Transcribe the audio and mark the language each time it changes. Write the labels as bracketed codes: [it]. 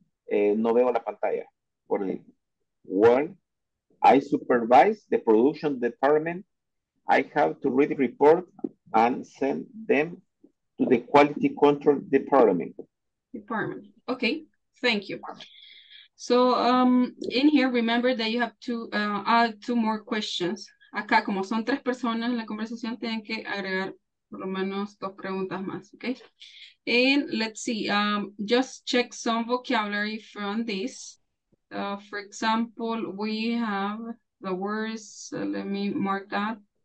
[es] No veo la pantalla. Por el... [en] Well, I supervise the production department. I have to read the report and send them to the quality control department. Department. Okay, thank you. So in here, remember that you have to add two more questions. [es] Acá, como son tres personas en la conversación, tienen que agregar por lo menos dos preguntas más, okay? [en] And let's see, just check some vocabulary from this. For example, we have the words, let me mark that.